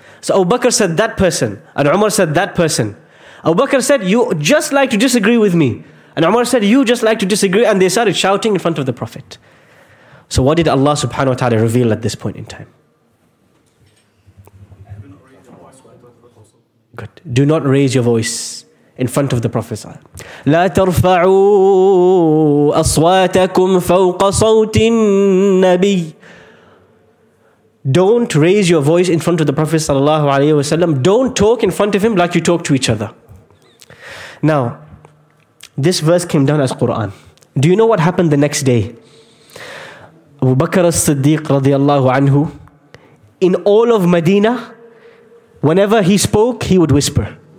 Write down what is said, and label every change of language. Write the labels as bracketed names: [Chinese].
[English] So Abu Bakr said that person, and Umar said that person. Abu Bakr said, you just like to disagree with me. And Umar said, you just like to disagree. And they started shouting in front of the Prophet. So what did Allah subhanahu wa ta'ala reveal at this point in time? Good. Do not raise your voice in front of the Prophet. [Arabic] لا ترفعوا أصواتكم فوق صوت النبي. [English] Don't raise your voice in front of the Prophet sallallahu alaihi wasallam. Don't talk in front of him like you talk to each other. Now, This verse came down as Quran. Do you know what happened the next day? Abu Bakr as-Siddiq radiallahu anhu, in all of Medina, whenever he spoke, he would whisper.